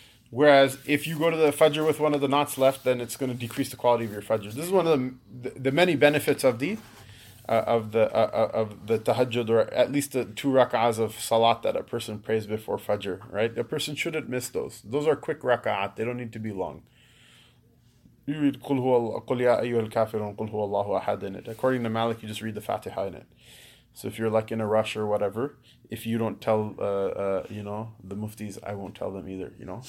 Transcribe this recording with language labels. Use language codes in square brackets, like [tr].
[en] Whereas if you go to the fajr with one of the knots left, then it's going to decrease the quality of your fajr. This is one of the many benefits of the. Of the tahajjud, or at least the two raka'ahs of salat that a person prays before fajr, right? A person shouldn't miss those. Those are quick raka'at. They don't need to be long. You read [ar] قُلْ يَا أَيُّهَا الْكَافِرُونَ قُلْ هُوَ اللَّهُ أَحَدٍ in it. [en] According to Malik, you just read the Fatiha in it. So if you're like in a rush or whatever, if you don't tell, the muftis, I won't tell them either, you know?